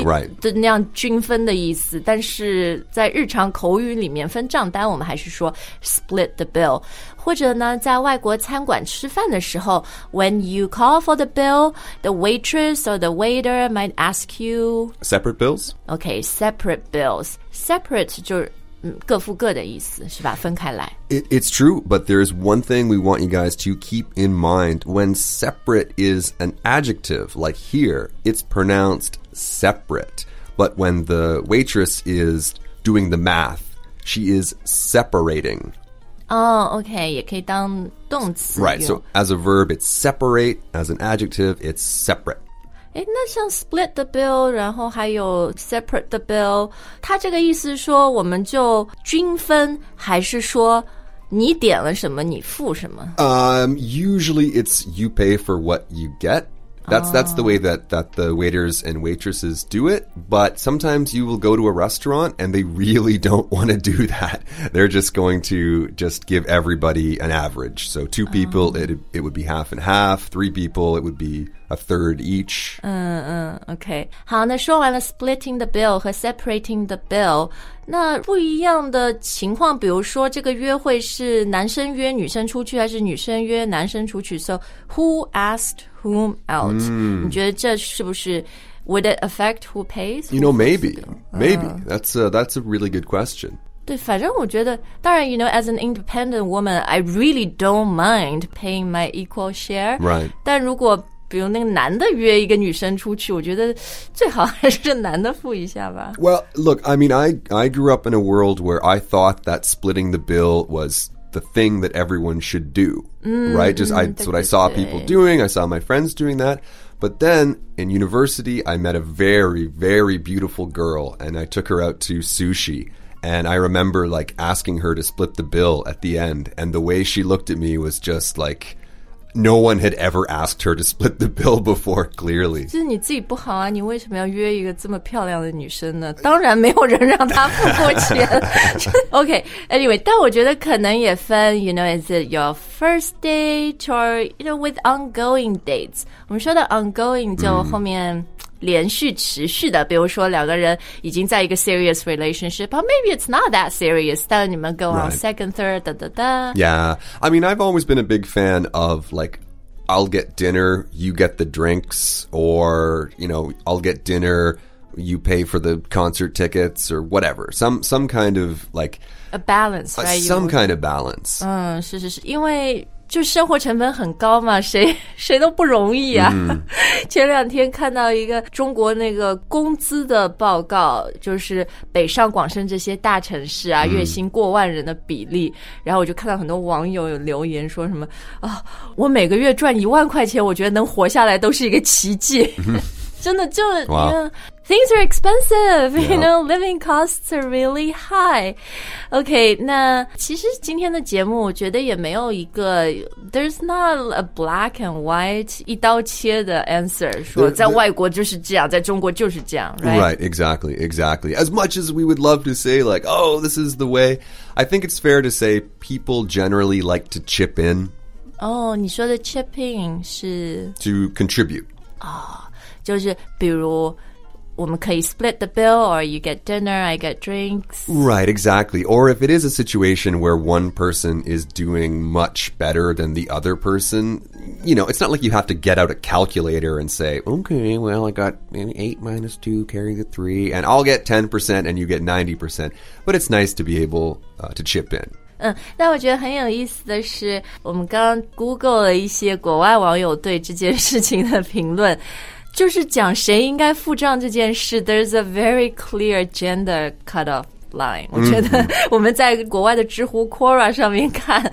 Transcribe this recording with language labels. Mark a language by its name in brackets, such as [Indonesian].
[English] right? [Chinese] 的那样均分的意思。但是在日常口语里面分账单，我们还是说 [English] split the bill。 [Chinese] 或者呢，在外国餐馆吃饭的时候 [English] ，when you call for the bill, the waitress or the waiter might ask you separate bills. Okay, separate bills. [Chinese] Separate 就是各付各的意思是吧分开来 [English] It's true, but there is one thing we want you guys to keep in mind. When separate is an adjective, like here, it's pronounced separate. But when the waitress is doing the math, she is separating. Oh, okay, [Chinese] 也可以当动词 [English] Right, so as a verb, it's separate. As an adjective, it's separate. [Chinese] 那像 [English] split the bill, [Chinese] 然后还有 [English] separate the bill, [Chinese] 它这个意思是说我们就均分还是说你点了什么你付什么 [English] Usually it's you pay for what you get. That's the way that the waiters and waitresses do it. But sometimes you will go to a restaurant and they really don't want to do that. They're just going to just give everybody an average. So two people, it would be half and half. Three people, it would be a third each. Okay. [Chinese] 好，那说完了 [English] splitting the bill [Chinese] 和 [English] separating the bill， [Chinese] 那不一样的情况，比如说这个约会是男生约女生出去，还是女生约男生出去 ？ [English] So who asked whom out？、 Mm. [Chinese] 你觉得这是不是 [English] would it affect who pays？ You know, maybe. That's a really good question. [Chinese] 对，反正我觉得，当然 [English] ，you know, as an independent woman, I really don't mind paying my equal share. Right. [Chinese] 但如果比如那个男的约一个女生出去，我觉得最好还是男的付一下吧。 [English] Well, look, I mean, I grew up in a world where I thought that splitting the bill was the thing that everyone should do. Right. Just that's what I saw people doing. I saw my friends doing that. But then, in university, I met a very, very beautiful girl, and I took her out to sushi. And I remember, like, asking her to split the bill at the end, and the way she looked at me was just like... No one had ever asked her to split the bill before, clearly. [Chinese] 就是你自己不好啊，你为什么要约一个这么漂亮的女生呢？当然没有人让她付过钱。 [English] Okay, anyway, [Chinese] 但我觉得可能也分 [English] you know, is it your first date or, you know, with ongoing dates? [Chinese] 我们说的 ongoing 就后面连续持续的，比如说两个人已经在一个 [English] serious relationship, or maybe it's not that serious, [Chinese] 但你们 [English] go on、 [Chinese] right. [English] second, third, da, da, da. Yeah, I mean, I've always been a big fan of, like, I'll get dinner, you get the drinks, or, you know, I'll get dinner, you pay for the concert tickets, or whatever. Some kind of, like... A balance, right? Some kind of balance. [Chinese] 嗯，是是是，因为就生活成本很高嘛，谁都不容易啊。 Mm. 前两天看到一个中国那个工资的报告，就是北上广深这些大城市啊， mm. 月薪过万人的比例。然后我就看到很多网友有留言说什么啊，我每个月赚10000块钱，我觉得能活下来都是一个奇迹。 Mm-hmm. 真的就、 [English] wow. you know, things are expensive,、yeah. you know, living costs are really high. [Chinese] Okay, 那其实今天的节目我觉得也没有一个 [English] there's not a black and white [Chinese] 一刀切的 answer, 说在外国就是这样，在中国就是这样 right? [English] Right, exactly, exactly. As much as we would love to say like, oh, this is the way, I think it's fair to say people generally like to chip in. [Chinese] Oh, 你说的 [English] chipping [Chinese] 是 [English] To contribute. [Chinese] Oh, 就是比如我们可以 [English] split the bill, or you get dinner, I get drinks. Right, exactly. Or if it is a situation where one person is doing much better than the other person, you know, it's not like you have to get out a calculator and say, okay, well, I got 8 minus 2, carry the 3, and I'll get 10% and you get 90%. But it's nice to be able, to chip in. [Chinese] 嗯，那我觉得很有意思的是，我们刚刚 Google 了一些国外网友对这件事情的评论。就是讲谁应该付账这件事 ， [English] there's a very clear gender cutoff line、 [Chinese] mm-hmm.。我觉得我们在国外的知乎 Quora 上面看、